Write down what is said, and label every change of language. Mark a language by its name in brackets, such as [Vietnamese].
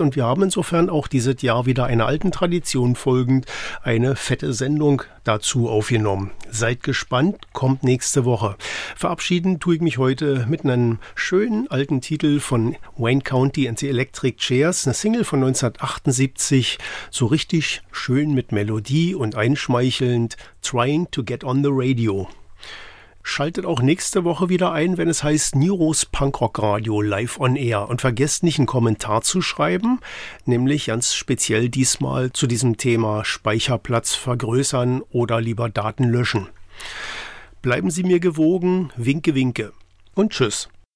[German] Und wir haben insofern auch dieses Jahr wieder einer alten Tradition folgend eine fette Sendung dazu aufgenommen. Seid gespannt, kommt nächste Woche. Verabschieden tue ich mich heute mit einem schönen alten Titel von Wayne County and the Electric Chairs, eine Single von 1978, so richtig schön mit Melodie und einschmeichelnd. [English] Trying to get on the radio. [German] Schaltet auch nächste Woche wieder ein, wenn es heißt Niros Punkrock Radio live on air. Und vergesst nicht, einen Kommentar zu schreiben, nämlich ganz speziell diesmal zu diesem Thema Speicherplatz vergrößern oder lieber Daten löschen. Bleiben Sie mir gewogen, winke, winke und tschüss.